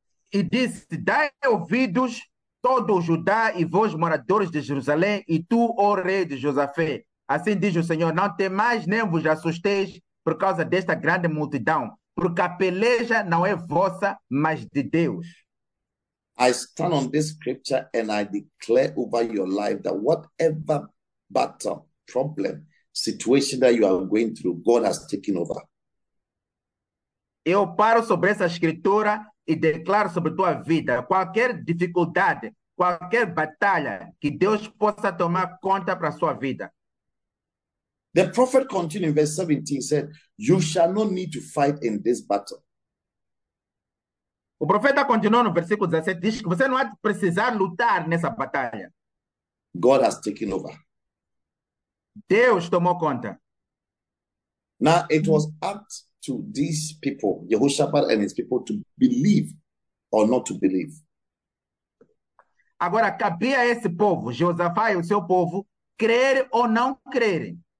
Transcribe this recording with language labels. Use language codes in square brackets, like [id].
[en] It is [pt] dai ouvidos todo o Judá e vós moradores de Jerusalém e tu, ó rei de Josafé. Assim diz o Senhor, não temais nem vos assusteis por causa desta grande multidão, porque a peleja não é vossa, mas de Deus. [en] I stand on this scripture and I declare over your life that whatever battle, problem, situation that you are going through, God has taken over. [pt] Eu paro sobre essa escritura e declaro sobre tua vida, qualquer dificuldade, qualquer batalha, que Deus possa tomar conta para sua vida. [en] The prophet continued in verse 17, said, you shall not need to fight in this battle. [pt] O profeta continuou no versículo 17, diz que você não vai precisar lutar nessa batalha. [en] God has taken over. [pt] Deus tomou conta. [en] Now, it was up to these people, Jehoshaphat and his people, to believe or not to believe. [pt] Agora, cabia a esse povo, Josafá e o seu povo, crer ou não crer.